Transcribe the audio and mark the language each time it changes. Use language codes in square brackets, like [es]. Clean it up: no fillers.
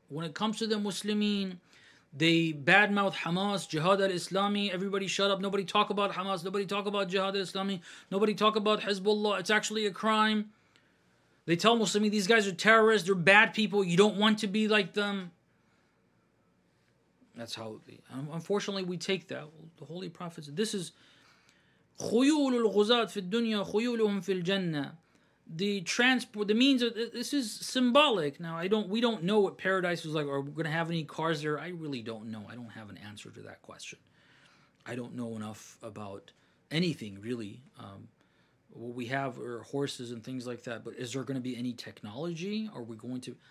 [en] When it comes to the Muslimin, they badmouth Hamas, Jihad al-Islami, everybody shut up, nobody talk about Hamas, nobody talk about Jihad al-Islami, nobody talk about Hezbollah, it's actually a crime. They tell Muslimin, these guys are terrorists, they're bad people, you don't want to be like them. That's how it would be. Unfortunately, we take that. The Holy Prophet said, this is [ar] خيول الغزات في الدنيا خيولهم في الجنة. [en] The transport, the means of, this is symbolic. Now, we don't know what paradise is like. Are we going to have any cars there? I really don't know. I don't have an answer to that question. I don't know enough about anything, really. What we have are horses and things like that. But is there going to be any technology? Are we going to...